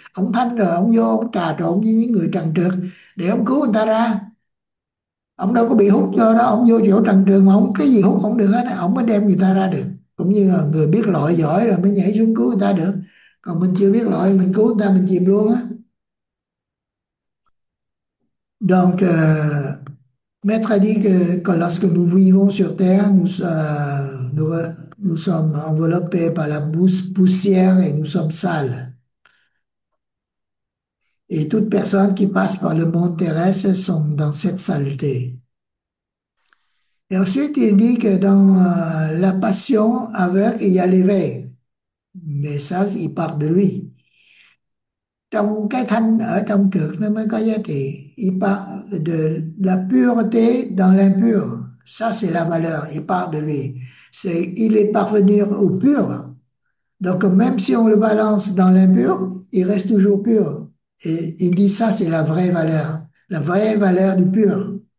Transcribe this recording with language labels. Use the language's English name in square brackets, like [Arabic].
[Vietnamese] Ông thanh rồi ông vô ông trà trộn với những người trần trượt để ông cứu người ta ra, ông đâu có bị hút vô đó. Ông vô chỗ trần trượt mà ông cái gì hút không được hết, ông mới đem người ta ra được. Cũng như là người biết lội giỏi rồi mới nhảy xuống cứu người ta được, còn mình chưa biết lội mình cứu người ta mình chìm luôn á. [French] Donc, Maître a dit que lorsque nous vivons sur Terre, nous sommes enveloppés par la poussière et nous sommes sales. Et toute personne qui passe par le monde terrestre sont dans cette saleté. Et ensuite, il dit que dans la passion aveugle, il y a l'éveil. Mais ça, il part de lui. [Vietnamese] Trong cái thanh ở trong trước nó mới có giá trị. [French] Il parle de la pureté dans l'impur. Ça, c'est la valeur. Il part de lui. Il est parvenu au pur. Donc, même si on le balance dans l'impur, il reste toujours pur. Et il dit ça, c'est la vraie valeur du pur.